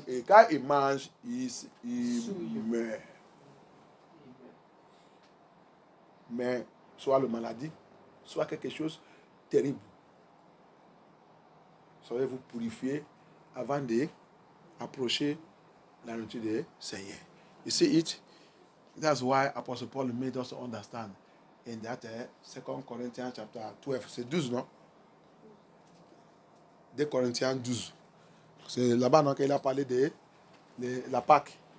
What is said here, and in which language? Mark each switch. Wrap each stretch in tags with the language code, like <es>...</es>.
<fr>Et quand il mange, il meurt. Mais soit la maladie, soit quelque chose de terrible. Soyez vous purifier avant d'approcher la nature du Seigneur.</fr> <en>You see it? That's why Apostle Paul made us understand in that 2 Corinthians chapter 12.</en> <fr>C'est 12, non?</fr> <en>2 Corinthians 12.</en> <fr>C'est là-bas, non, qu'il a parlé de la Pâque.</fr>